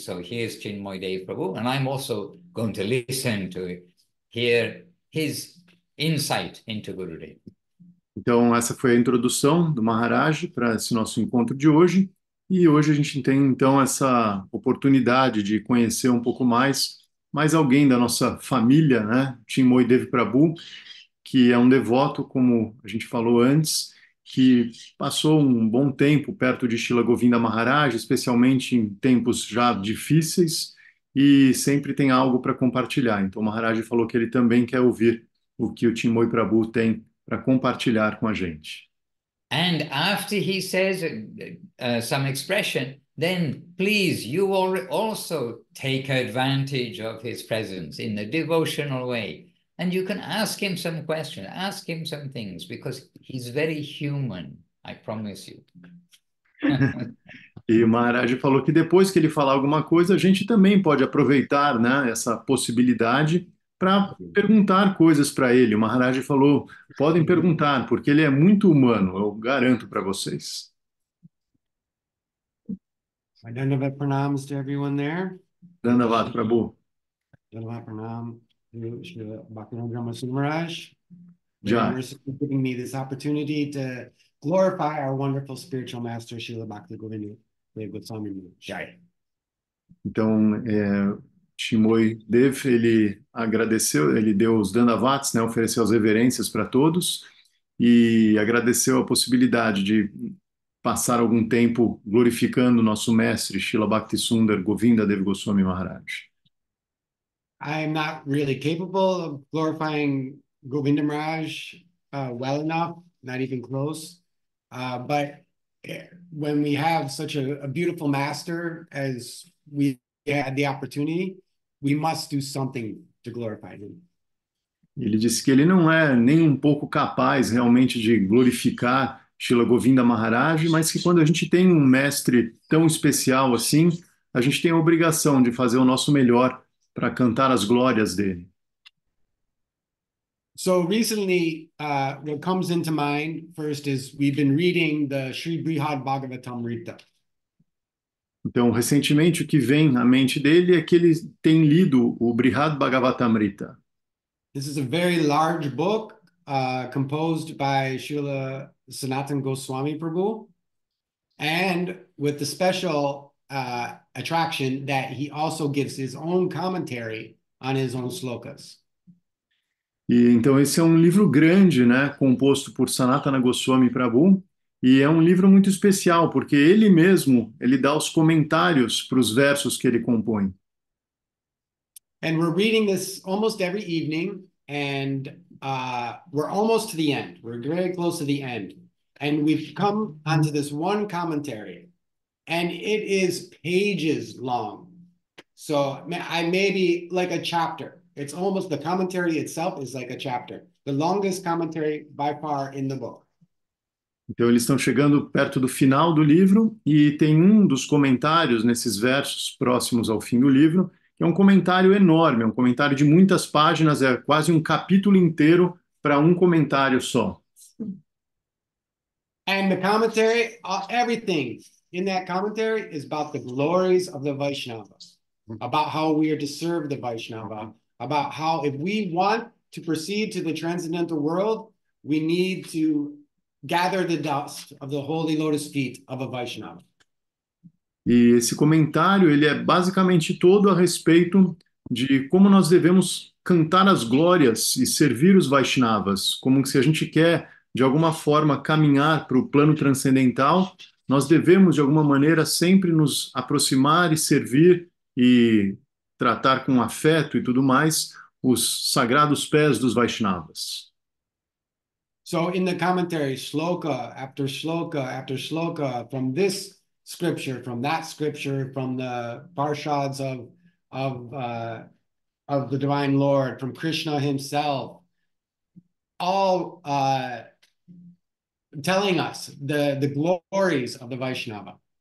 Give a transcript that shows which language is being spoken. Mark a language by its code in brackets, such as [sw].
[en] So here's Chinmoy Dev Prabhu, and I'm also going to listen to hear his insight into Gurudev. [pt] Então, essa foi a introdução do Maharaj para esse nosso encontro de hoje. E hoje a gente tem, então, essa oportunidade de conhecer um pouco mais alguém da nossa família, né? Chinmoy Dev Prabhu, que é um devoto, como a gente falou antes, que passou um bom tempo perto de Srila Govinda Maharaj, especialmente em tempos já difíceis, e sempre tem algo para compartilhar. Então, o Maharaj falou que ele também quer ouvir o que o Chinmoy Prabhu tem para compartilhar com a gente. [en] And after he says some expression, then please you also take advantage of his presence in the devotional way. And you can ask him some questions, ask him some things, because he's very human, I promise you. [pt] E o Maharaj falou que depois que ele falar alguma coisa, a gente também pode aproveitar, né, essa possibilidade para perguntar coisas para ele. O Maharaj falou, podem perguntar, porque ele é muito humano, eu garanto para vocês. [en] Dandavat pranams to everyone there. Dandavat Prabhu. Dandavat pranam to Srila Bhaktivinoda Maharaj. Jai. Thank you for giving me this opportunity to glorify our wonderful spiritual master, Srila Bhaktivinoda Goswami Maharaj. Jai. [pt] Então, Chinmoy Dev, ele agradeceu, ele deu os dandavats, né, ofereceu as reverências para todos e agradeceu a possibilidade de passar algum tempo glorificando nosso mestre Srila Bhakti Sundar Govinda Dev Goswami Maharaj. [en] I'm not really capable of glorifying Govinda Maharaj well enough, not even close. But when we have such a beautiful master as we had the opportunity, we must do something to glorify him. [pt] Ele disse que ele não é nem um pouco capaz realmente de glorificar Srila Govinda Maharaj, mas que quando a gente tem um mestre tão especial assim, a gente tem a obrigação de fazer o nosso melhor para cantar as glórias dele. [en] So recently, what comes into mind first is we've been reading the Sri Brihad Bhagavatamrita. [pt] Então, recentemente, o que vem à mente dele é que ele tem lido o Brihad Bhagavatamrita. [en] This is a very large book composed by Srila Sanatan Goswami Prabhu, and with the special attraction that he also gives his own commentary on his own slokas. [pt] E então esse é um livro grande, né, composto por Sanatana Goswami Prabhu, e é um livro muito especial porque ele mesmo ele dá os comentários para os versos que ele compõe. [en] And we're reading this almost every evening, and we're almost to the end. We're very close to the end, and we've come onto this one commentary, and it is pages long. So I maybe like a chapter. It's almost the commentary itself is like a chapter, the longest commentary by far in the book. [pt] Então eles estão chegando perto do final do livro e tem um dos comentários nesses versos próximos ao fim do livro. É um comentário enorme, é um comentário de muitas páginas, é quase um capítulo inteiro para um comentário só. [en] And the commentary, everything in that commentary is about the glories of the Vaishnavas, about how we are to serve the Vaishnava, about how if we want to proceed to the transcendental world, we need to gather the dust of the holy lotus feet of a Vaishnava. [pt] E esse comentário, ele é basicamente todo a respeito de como nós devemos cantar as glórias e servir os Vaishnavas, como que se a gente quer, de alguma forma, caminhar para o plano transcendental, nós devemos, de alguma maneira, sempre nos aproximar e servir e tratar com afeto e tudo mais os sagrados pés dos Vaishnavas. [en] So in the commentary, shloka after shloka after shloka, from this scripture, from that scripture, from the parshads of the Divine Lord, from Krishna himself, all telling us the glories of the Vaishnava.